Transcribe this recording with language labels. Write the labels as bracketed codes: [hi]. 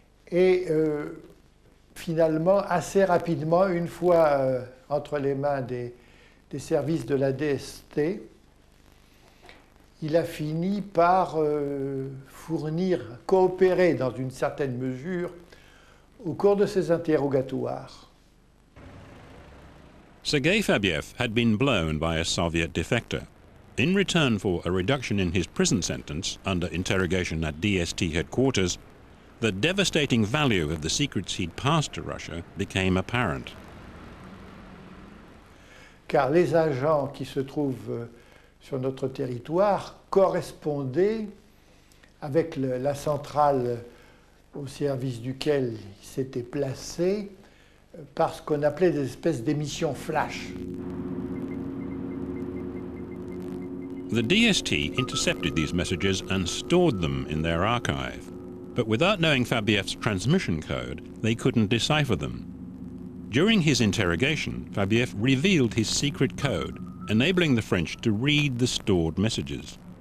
[fr] Et finalement, assez rapidement, une fois entre les mains des services de la DST, il a fini par fournir, coopérer dans une certaine mesure au cours de ses interrogatoires. [en] Sergei Fabiev had been blown by a Soviet defector. In return for a reduction in his prison sentence under interrogation at DST headquarters, the devastating value of the secrets he'd passed to Russia became apparent. [fr] Car les agents qui se trouvent sur notre territoire correspondaient avec la centrale au service duquel ils s'étaient placés par ce qu'on appelait des espèces d'émissions flash. [en] The DST intercepted these messages and stored them in their archive. But without knowing Fabiev's transmission code, they couldn't decipher them. During his interrogation, Fabiev revealed his secret code, enabling the French to read the stored messages.